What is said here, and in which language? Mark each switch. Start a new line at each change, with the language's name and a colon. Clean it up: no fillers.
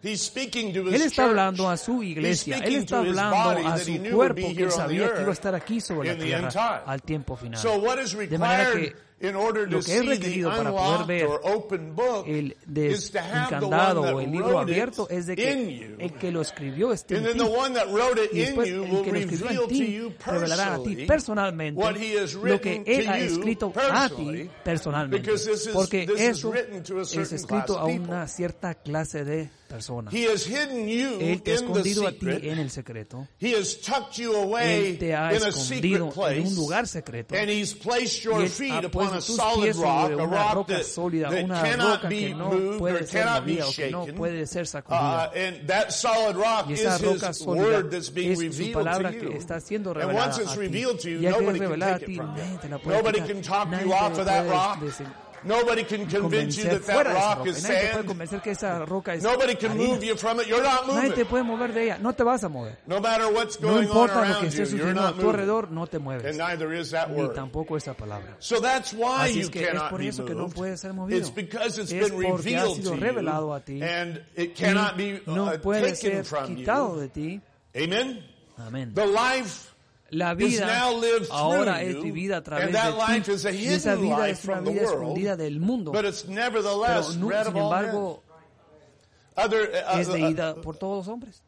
Spanish: Él está hablando a su iglesia. Él está hablando a su cuerpo, que él sabía que iba a estar aquí sobre la tierra al tiempo final. De manera que
English: in order to
Spanish: lo que es requerido para poder ver el desencandado o el libro abierto es de que el que lo escribió esté en ti.
English: And then the one that wrote it in you
Spanish: revelará a ti personalmente lo que él ha escrito a ti personalmente. Porque eso es escrito a una cierta clase de personas.
English: He has hidden you
Spanish: él te ha escondido a ti en el secreto. Él te ha escondido
English: place,
Spanish: en un lugar secreto.
English: And he's placed your
Spanish: y él ha puesto tus pies sobre una roca sólida, una roca que no puede ser movida o que no puede ser sacudida.
English: And that solid rock
Spanish: y esa roca sólida es su palabra que está siendo revelada a ti. Y ya que es revelada a ti, nadie te la puede quitar.
English: Nobody can convince you that that rock is sand.
Spanish: Nadie te puede convencer que esa roca es.
English: Nobody can move you from it. You're not moving.
Spanish: Nadie te puede mover de ella. No te vas a mover.
English: No matter what's going on around you, you're not moving.
Spanish: Tu alrededor no te mueves.
English: And neither is that word.
Spanish: Ni tampoco esa palabra.
English: So that's why you cannot
Spanish: move. Es por eso que no puedes ser movido.
English: It's because it's been revealed to you.
Spanish: Es porque ha sido revelado a ti.
English: And it cannot be taken from you. Amen. Amen. The life.
Spanish: La vida ahora es vivida a través de ti, y esa vida es una vida escondida del mundo, pero sin embargo es leída por todos los hombres.